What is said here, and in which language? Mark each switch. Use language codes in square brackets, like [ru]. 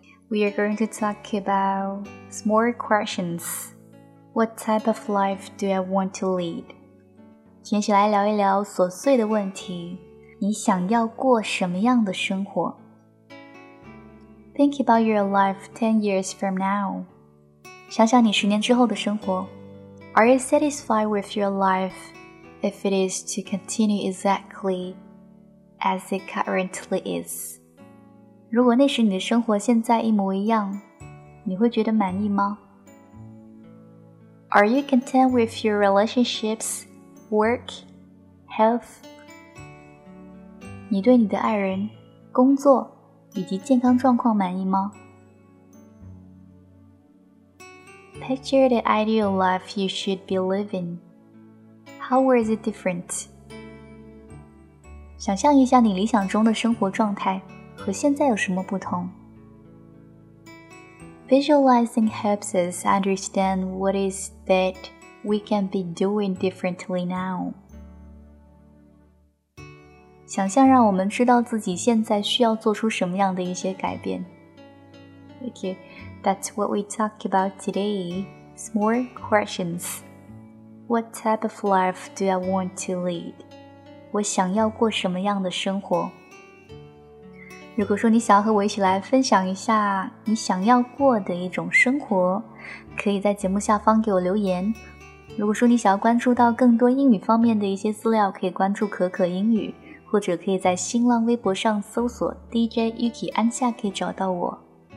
[en] We are going to talk about small questions. What type of life do I want to lead? [zh] 接下来聊一聊琐碎的问题。你想要过什么样的生活？ [en] Think about your life 10 years from now. [zh] 想想你十年之后的生活。 [en] Are you satisfied with your life if it is to continue exactly as it currently is? [zh] 如果那时你的生活现在一模一样，你会觉得满意吗？ [en] Are you content with your relationships, work, health? [zh] 你对你的爱人、工作以及健康状况满意吗？ [en] Picture the ideal life you should be living. How is it different? [zh] 想象一下你理想中的生活状态和现在有什么不同。 [en] Visualizing helps us understand what is that we can be doing differently now. [zh] 想象让我们知道自己现在需要做出什么样的一些改变。 [en] Thank you. That's what we talk about today. Small questions. What type of life do I want to lead? [zh] 我想要过什么样的生活？如果说你想要和我一起来分享一下你想要过的一种生活，可以在节目下方给我留言。如果说你想要关注到更多英语方面的一些资料，可以关注可可英语，或者可以在新浪微博上搜索 DJ Yuki 安夏，可以找到我。